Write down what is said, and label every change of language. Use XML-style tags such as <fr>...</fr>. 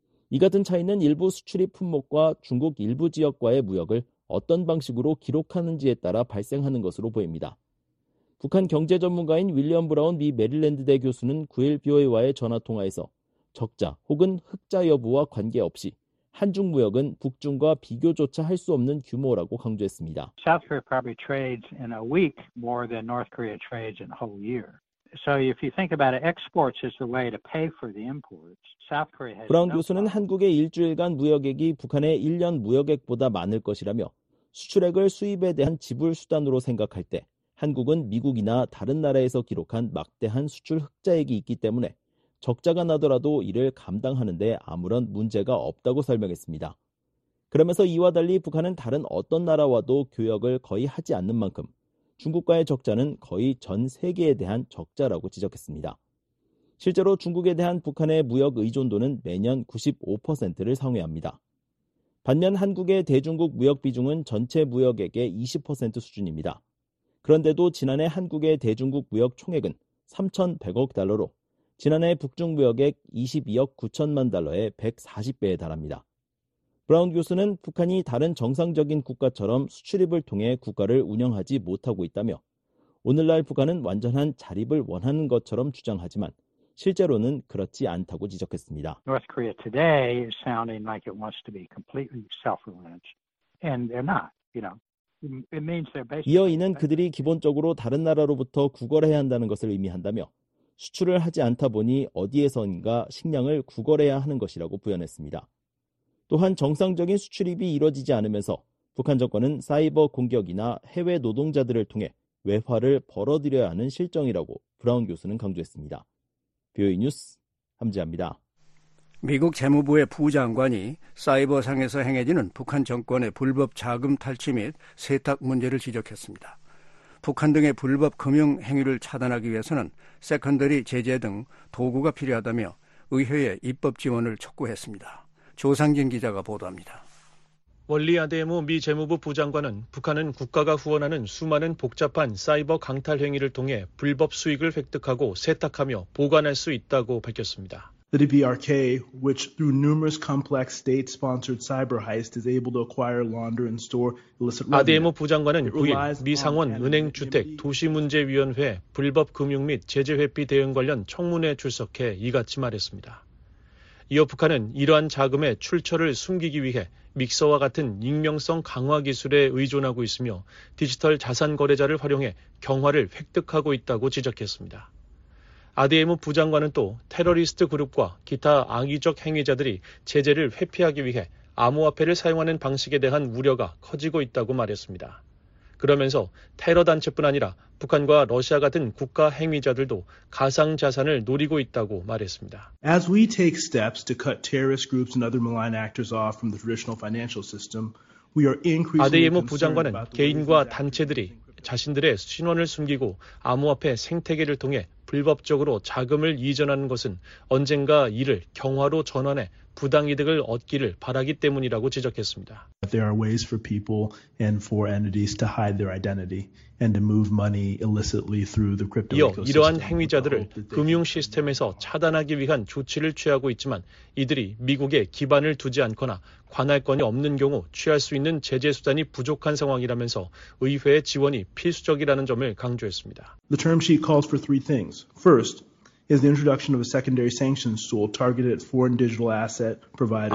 <ko>이 같은 차이는 일부 수출입 품목과 중국 일부 지역과의 무역을 어떤 방식으로 기록하는지에 따라 발생하는 것으로 보입니다. 북한 경제 전문가인 윌리엄 브라운 미 메릴랜드대 교수는 9일 BOA와의 전화통화에서 적자 혹은 흑자 여부와 관계없이 한중 무역은 북중과 비교조차 할 수 없는 규모라고 강조했습니다.</ko> <en>South Korea probably trades in a week more than North Korea trades in a whole year. So if you think about it, exports is the way to pay for the imports. South Korea has</en> <ko>브라운 교수는 한국의 일주일간 무역액이 북한의 1년 무역액보다 많을 것이라며 수출액을 수입에 대한 지불 수단으로 생각할 때 한국은 미국이나 다른 나라에서 기록한 막대한 수출 흑자액이 있기 때문에 적자가 나더라도 이를 감당하는 데 아무런 문제가 없다고 설명했습니다. 그러면서 이와 달리 북한은 다른 어떤 나라와도 교역을 거의 하지 않는 만큼 중국과의 적자는 거의 전 세계에 대한 적자라고 지적했습니다. 실제로 중국에 대한 북한의 무역 의존도는 매년 95%를 상회합니다. 반면 한국의 대중국 무역 비중은 전체 무역액의 20% 수준입니다. 그런데도 지난해 한국의 대중국 무역 총액은 3,100억 달러로 지난해 북중 무역액 22억 9천만 달러의 140배에 달합니다. 브라운 교수는 북한이 다른 정상적인 국가처럼 수출입을 통해 국가를 운영하지 못하고 있다며 오늘날 북한은 완전한 자립을 원하는 것처럼 주장하지만 실제로는 그렇지 않다고 지적했습니다.</ko> <en>North Korea today is sounding like it wants to be completely self-reliant, and they're not. You know, it means they're basically.</en> <ko>이어 이는 그들이 기본적으로 다른 나라로부터 구걸해야 한다는 것을 의미한다며 수출을 하지 않다 보니 어디에선가 식량을 구걸해야 하는 것이라고 부연했습니다. 또한 정상적인 수출입이 이뤄지지 않으면서 북한 정권은 사이버 공격이나 해외 노동자들을 통해 외화를 벌어들여야 하는 실정이라고 브라운 교수는 강조했습니다. 뷰이 뉴스 함지아입니다. 미국 재무부의 부장관이 사이버상에서 행해지는 북한 정권의 불법 자금 탈취 및 세탁 문제를 지적했습니다. 북한 등의 불법 금융 행위를 차단하기 위해서는 세컨더리 제재 등 도구가 필요하다며 의회에 입법 지원을 촉구했습니다. 조상진 기자가 보도합니다. 월리 아데모 미 재무부 부장관은 북한은 국가가 후원하는 수많은 복잡한 사이버 강탈 행위를 통해 불법 수익을 획득하고 세탁하며 보관할 수 있다고 밝혔습니다.</ko> <en>The DBRK, which through numerous complex state-sponsored cyber heists is able to acquire, launder, and store illicit revenue.</en> <ko>아데모 부장관은 9일 미 상원 은행 주택 도시 문제 위원회 불법 금융 및 제재 회피 대응 관련 청문회에 출석해 이같이 말했습니다. 이어 북한은 이러한 자금의 출처를 숨기기 위해 믹서와 같은 익명성 강화 기술에 의존하고 있으며 디지털 자산 거래자를 활용해 경화를 획득하고 있다고 지적했습니다. 아데모 부장관은 또 테러리스트 그룹과 기타 악의적 행위자들이 제재를 회피하기 위해 암호화폐를 사용하는 방식에 대한 우려가 커지고 있다고 말했습니다. 그러면서 테러 단체뿐 아니라 북한과 러시아 같은 국가 행위자들도 가상 자산을 노리고 있다고 말했습니다.</ko> <en>As we take steps to cut terrorist groups and other malign actors off from the traditional financial system, we are increasingly.</en> <ko>아데모 부장관은 개인과 단체들이 자신들의 신원을 숨기고 암호화폐 생태계를 통해 불법적으로 자금을 이전하는 것은 언젠가 이를 경화로 전환해 부당 이득을 얻기를 바라기 때문이라고 지적했습니다.</ko> <en>There are ways for people and for entities to hide their identity and to move money illicitly through the crypto ecosystem.</en> <ko>이어 이러한 행위자들을 금융 시스템에서 차단하기 위한 조치를 취하고 있지만 이들이 미국에 기반을 두지 않거나 관할권이 없는 경우 취할 수 있는 제재 수단이 부족한 상황이라면서 의회의 지원이 필수적이라는 점을 강조했습니다.</ko> <en>The term sheet calls for three things. First, is the introduction of a secondary sanctions tool targeted at foreign digital asset providers.</en>